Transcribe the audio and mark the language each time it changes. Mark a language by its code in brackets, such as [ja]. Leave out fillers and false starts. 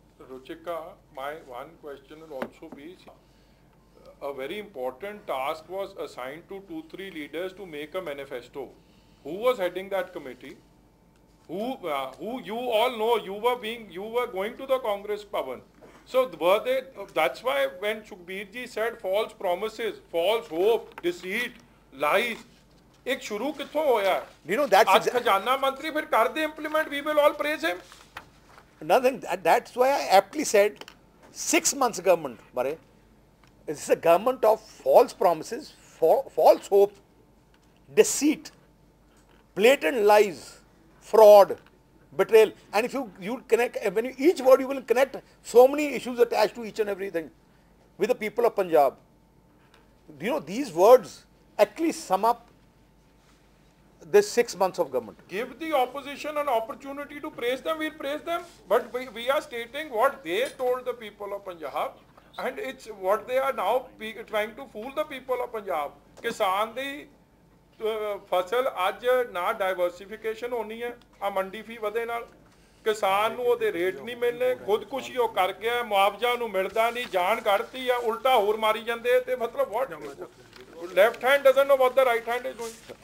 [en] Ruchika, my one question will also be, a very important task was assign to 2-3 leaders to make a manifesto, who was heading that committee? Who you all know, you were going to the Congress Bhavan. So were they, that's why when Sukhbir ji said false promises, false hope, deceit, lies, [pa] ek shuru kitho hoya? [en] You know, that's [pa] aaj khazana mantri fir kar de implement, [en] we will all praise him. Nothing, that's why I aptly said 6 months government bare, this is a government of false promises, false hope, deceit, blatant lies, fraud, betrayal. And if you connect, when you, each word, you will connect so many issues attached to each and everything with the people of Punjab. Do you know, these words at least sum up this 6 months of government. Give the opposition an opportunity to praise them, we'll praise them. But we are stating what they told the people of Punjab, and it's what they are now trying to fool the people of Punjab. [pa] Kisan di ਫਸਲ ਅੱਜ ਨਾ diversification ਹੋਣੀ ਹੈ ਆ ਮੰਡੀ ਫੀ ਵਧੇ ਨਾਲ, ਕਿਸਾਨ ਨੂੰ ਉਹਦੇ ਰੇਟ ਨਹੀਂ ਮਿਲਣੇ, ਖੁਦਕੁਸ਼ੀ ਉਹ ਕਰ ਗਿਆ, ਮੁਆਵਜ਼ਾ ਨੂੰ ਮਿਲਦਾ ਨਹੀਂ, ਜਾਨ ਕੱਢਤੀ ਆ, ਉਲਟਾ ਹੋਰ ਮਾਰੀ ਜਾਂਦੇ, ਤੇ ਮਤਲਬ ਵਾਟ, [en] Left hand doesn't know what the right hand is doing.